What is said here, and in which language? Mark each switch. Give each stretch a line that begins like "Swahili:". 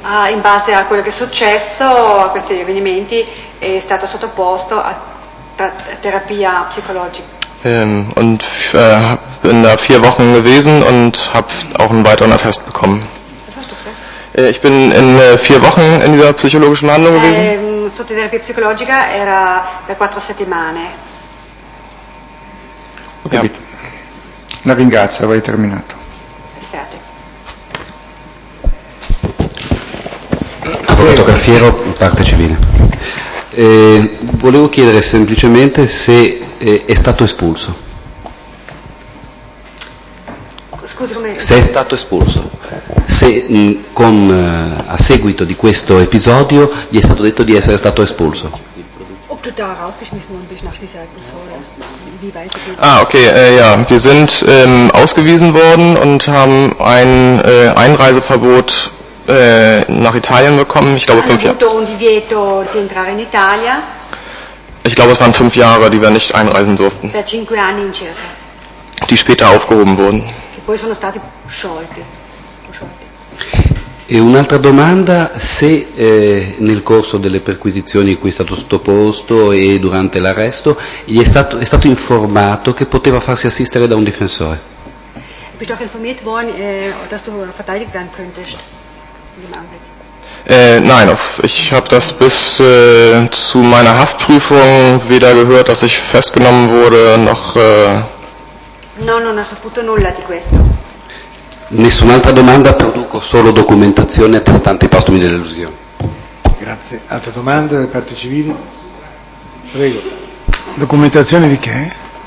Italian: In base a quello che è successo, a questi avvenimenti, è stato sottoposto a terapia psicologica.
German: Und bin da 4 Wochen gewesen und habe auch einen weiteren Attest bekommen. Was hast du gesagt? Ich bin in 4 Wochen in dieser psychologischen Behandlung gewesen.
Italian: Sotto terapia psicologica era per 4 settimane.
German: Okay, bitte.
Italian: La ringrazio, avrei terminato. Fotografiero, parte civile. Volevo chiedere semplicemente se è stato espulso. Scusi, come... Se è stato espulso. Se con a seguito di questo episodio gli è stato detto di essere stato espulso.
German: Ob du da rausgeschmissen worden bist nach dieser Episode. Wie weiß ich? Ah, okay, ja, wir sind ausgewiesen worden und haben ein Einreiseverbot nach Italien bekommen. Ich glaube 5 Jahre.
Italian: Un divieto di entrare in Italia.
German: Ich glaube, es waren 5 Jahre, die wir nicht einreisen durften.
Italian: Per 5 anni in circa.
German: Die später aufgehoben wurden.
Italian: Che poi sono stati sciolti. E un'altra domanda, se nel corso delle perquisizioni in cui è stato sottoposto e durante l'arresto, gli è stato informato che poteva farsi assistere da un difensore.
German: Bist du auch informiert worden, dass du verteidigt werden könntest? Nein, ich habe das bis zu meiner Haftprüfung weder gehört, dass ich festgenommen wurde, noch...
Italian: No, non ho saputo nulla di questo. Nessun'altra domanda, produco solo documentazione attestante i postumi delle lesioni. Grazie. Altre domande da parte civile? Prego. Documentazione di che?